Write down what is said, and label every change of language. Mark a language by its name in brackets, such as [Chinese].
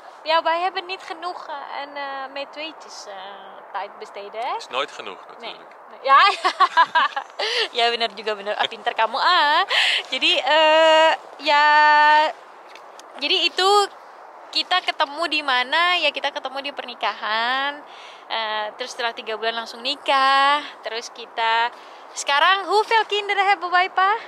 [Dutch] Ja, wij hebben niet genoeg en met tweetjes tijd besteden. Hè? Is nooit genoeg natuurlijk. Nee. [Indonesian] Ja, ja. Ja, benar juga benar. Pinter kamu ah. Jadi ya, jadi itu kita ketemu di mana? Ya kita ketemu di pernikahan. Terus setelah 3 bulan langsung nikah. Terus kita sekarang [Dutch] hoeveel kinderen hebben wij pa?